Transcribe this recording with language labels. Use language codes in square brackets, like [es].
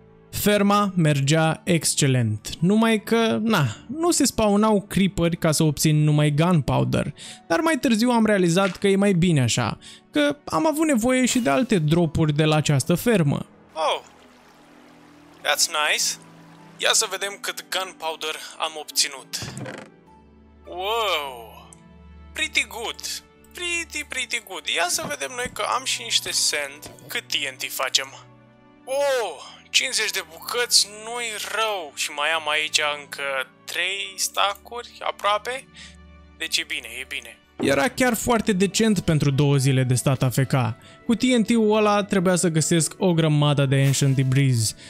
[ro] Ferma mergea excelent, numai că, na, nu se spawnau creeperi ca să obțin numai gunpowder, dar mai târziu am realizat că e mai bine așa, că am avut nevoie și de alte dropuri de la această fermă. [en] Oh, that's nice. [ro] Ia să vedem cât gunpowder am obținut. [en] Wow, pretty good, pretty, pretty good. [ro] Ia să vedem noi că am și niște sand, cât TNT facem. Oh, 50 de bucăți, nu-i rău. Și mai am aici încă 3 stacuri aproape. Deci e bine, e bine. Era chiar foarte decent pentru 2 zile de stat AFK. Cu TNT-ul ăla trebuia să găsesc o grămadă de ancient debris.